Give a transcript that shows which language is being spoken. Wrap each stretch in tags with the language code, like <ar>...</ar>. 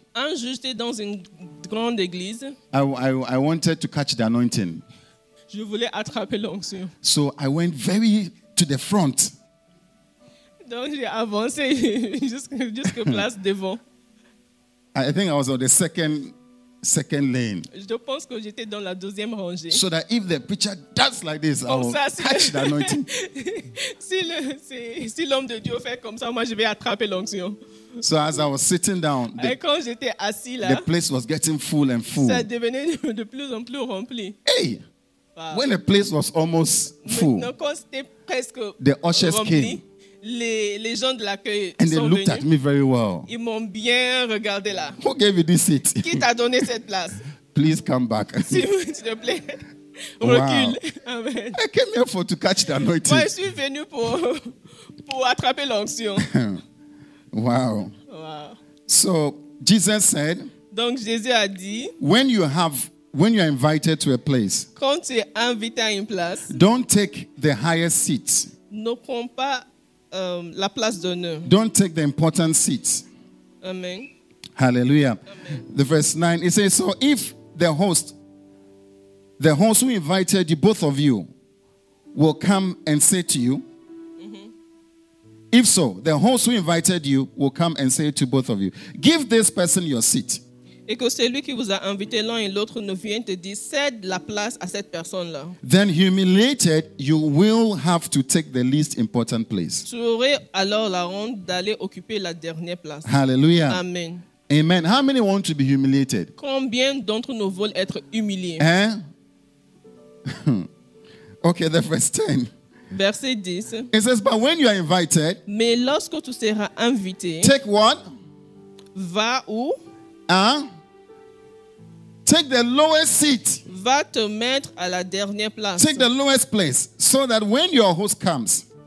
<fr>Un jour j'étais dans une grande église.</fr> <en>I wanted to catch the anointing.</en> <fr>Je voulais attraper l'onction.</fr> <en>So I went very to the front.</en> <fr>Donc j'ai avancé jusqu'à place devant.</fr> <en>I think I was on the second lane.</en> <fr>Je pense que j'étais dans la deuxième rangée.</fr> <en>So that if the preacher does like this,</en> <fr>comme</fr> <en>I will</en> <fr>ça,</fr> <en>catch the anointing.</en> <fr>si l'homme de Dieu fait comme ça, moi je vais attraper l'onction.</fr> <en>So as I was sitting down,</en> <fr>et quand j'étais assis là,</fr> <en>the place was getting full and full.</en> <fr>Ça devenait de plus en plus rempli. Hey, wow.</fr> <en>When the place was almost full,</en> <fr>quand c'était presque</fr> <en>the ushers</en> <fr>rempli,</fr> <en>came.</en> <fr>Les gens de l'accueil</fr> <en>and they</en> <fr>sont</fr> <en>looked</en> <fr>venus.</fr> <en>At me very well.</en> <fr>Ils m'ont bien regardé là.</fr> <en>Who gave you this seat?</en> <fr>Qui t'a donné cette place?</fr> <en>Please come back.</en> <fr>S'il te plaît. Recule. Amen.</fr> <en>I came here to catch the anointing.</en> <fr>Moi, je suis venu pour attraper l'onction.</fr> <en>Wow. So Jesus said.</en> <fr>Donc Jésus a dit.</fr> <en>When you are invited to a place.</en> <fr>Quand tu es invité à une place.</fr> <en>Don't take the highest seats.</en> <fr>Ne prends pas la place d'honneur.</fr> <en>Don't take the important seats. Amen. Hallelujah. Amen. The verse 9, it says, so if the host who invited you, both of you, will come and say to you, if so, the host who invited you will come and say to both of you, give this person your seat.</en> <fr>Et que celui qui vous a invité l'un et l'autre ne vient te dire, cède la place à cette personne-là.</fr> <en>Then humiliated, you will have to take the least important place.</en> <fr>Tu aurais alors la honte d'aller occuper la dernière place. Hallelujah. Amen. Amen.</fr> <en>How many want to be humiliated?</en> <fr>Combien d'entre nous veulent être humiliés? Hein?</fr> <en>Okay, the verse 10.</en> <fr>Verset 10.</fr> <en>It says, but when you are invited,</en> <fr>mais lorsque tu seras invité,</fr> <en>take what?</en> <fr>Va où?</fr> <en>Take the lowest seat.</en> <fr>Va te mettre à la dernière place.</fr> <en>Take the lowest place so that when your host comes,</en>